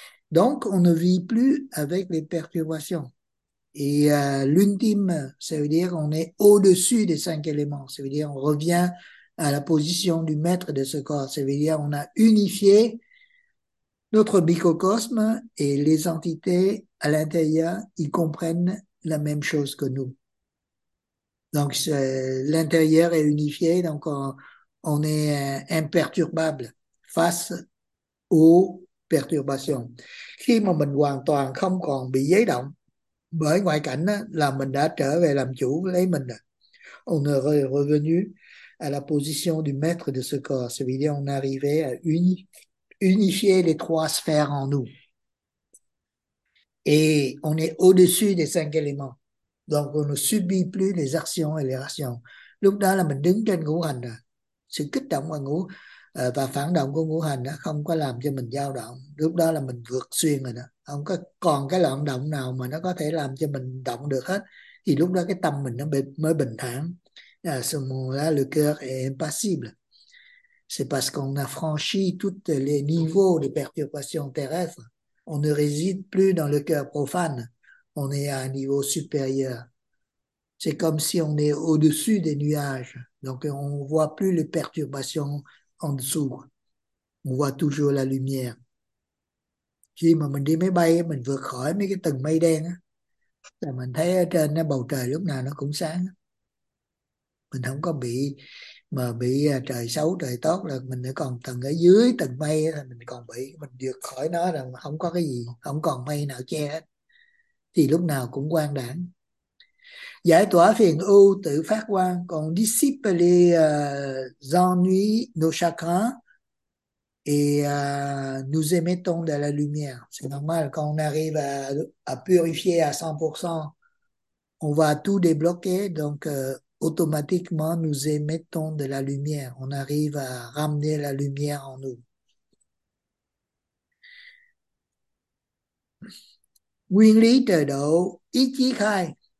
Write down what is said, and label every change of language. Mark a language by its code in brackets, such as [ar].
[fr] Donc, on ne vit plus avec les perturbations. Et l'ultime, ça veut dire qu'on est au-dessus des cinq éléments, ça veut dire qu'on revient à la position du maître de ce corps, ça veut dire qu'on a unifié notre microcosme et les entités à l'intérieur, ils comprennent la même chose que nous. Donc, l'intérieur est unifié, donc on est imperturbable face u perturbation. [vi] Khi mà mình hoàn toàn không còn bị giấy động bởi ngoại cảnh đó, là mình đã trở về làm chủ lấy mình rồi. [fr] On est revenu à la position du maître de ce corps. Ça veut dire on est arrivé à unifier les trois sphères en nous. Et on est au-dessus des cinq éléments. Donc on ne subit plus les actions et les réactions. [vi] Lúc đó là mình đứng trên ngũ hành rồi. Sự kích động và ngũ và phản động của ngũ hành đó không có làm cho mình dao động. Lúc đó là mình vượt xuyên rồi đó. Không có còn cái loạn động nào mà nó có thể làm cho mình động được hết. Thì lúc đó cái tâm mình nó mới bình thản. [fr] À, ce moment-là, le cœur est impassible. C'est parce qu'on a franchi tous les niveaux de perturbation terrestre. On ne réside plus dans le cœur profane. On est à un niveau supérieur. C'est comme si on est au-dessus des nuages. Donc, on ne voit plus les perturbations en dessous. On voit toujours la lumière. [vi] Khi mà mình đi máy bay, mình vượt khỏi mấy cái tầng mây đen, là mình thấy ở trên nó bầu trời lúc nào nó cũng sáng. Mình không có bị mà bị trời xấu trời tốt, là mình còn tầng ở dưới tầng mây thì mình còn bị mình vượt khỏi nó là không có cái gì, không còn mây nào che hết, thì lúc nào cũng quang đãng, giải tỏa phiền ưu tự phát quang, còn [fr] dissipe les ennuis, nos chagrins et nous émettons de la lumière. C'est normal, quand on arrive à purifier à 100%, on va tout débloquer, donc automatiquement, nous émettons de la lumière. On arrive à ramener la lumière en nous. [vi] Nguyên lý trời độ, ý chí khai.